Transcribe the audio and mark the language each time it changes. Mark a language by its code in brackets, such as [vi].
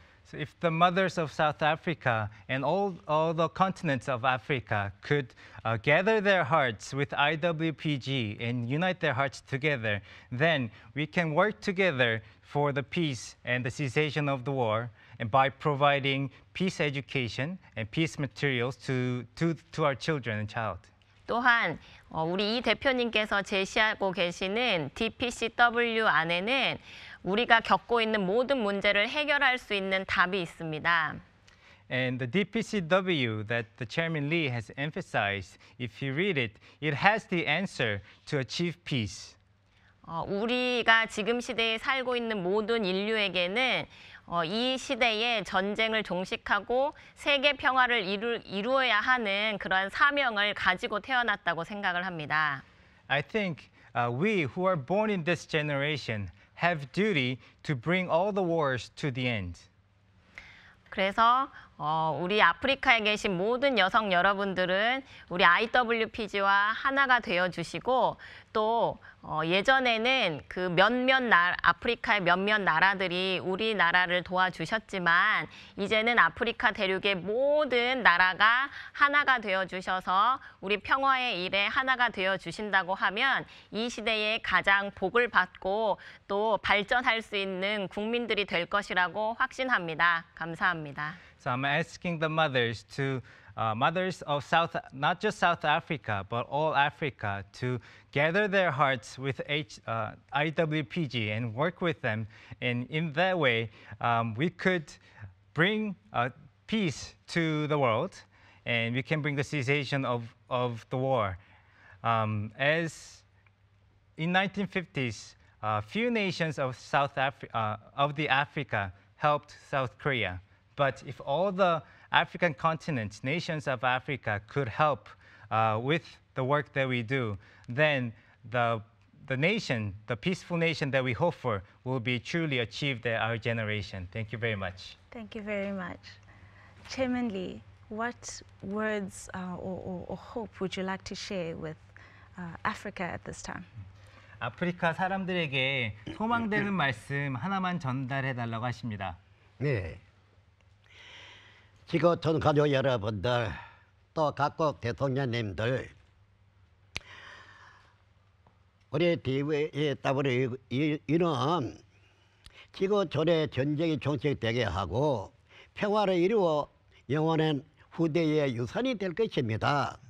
[en] So if the mothers of South Africa and all the continents of Africa could gather their hearts with IWPG and unite their hearts together, then we can work together for the peace and the cessation of the war and by providing peace education and peace materials to our children and child. [ko] 또한 우리 이 대표님께서 제시하고 계시는 DPCW 안에는 우리가 겪고 있는 모든 문제를 해결할 수 있는 답이 있습니다. [en] And the DPCW that the Chairman Lee has emphasized, if you read it, it has the answer to achieve peace. [ko] 우리가 지금 시대에 살고 있는 모든 인류에게는 이 시대에 전쟁을 종식하고 세계 평화를 이루어야 하는 그런 사명을 가지고 태어났다고 생각을 합니다. [en] I think we who are born in this generation have duty to bring all the wars to the end. [ko] 그래서 우리 아프리카에 계신 모든 여성 여러분들은 우리 IWPG와 하나가 되어 주시고 또 예전에는 그 몇몇 아프리카의 몇몇 나라들이 우리나라를 도와주셨지만 이제는 아프리카 대륙의 모든 나라가 하나가 되어 주셔서 우리 평화의 일에 하나가 되어 주신다고 하면 이 시대에 가장 복을 받고 또 발전할 수 있는 국민들이 될 것이라고 확신합니다. 감사합니다. [en] So I'm asking the mothers to mothers of South, not just South Africa, but all Africa, to gather their hearts with IWPG and work with them. And in that way, we could bring peace to the world, and we can bring the cessation of the war. As in 1950s, few nations of South Africa of the Africa helped South Korea, but if all the African continents, nations of Africa, could help with the work that we do, then the nation, the peaceful nation that we hope for, will be truly achieved by our generation. Thank you very much. Thank you very much. Chairman Lee, what words or hope would you like to share with Africa at this time? [ko] 아프리카 사람들에게 소망되는 말씀 하나만 전달해달라고 하십니다. 네. 지구촌 가족 여러분들, 또 각국 대통령님들, 우리 DPCW는 지구촌의 전쟁이 종식되게 하고 평화를 이루어 영원한 후대의 유산이 될 것입니다.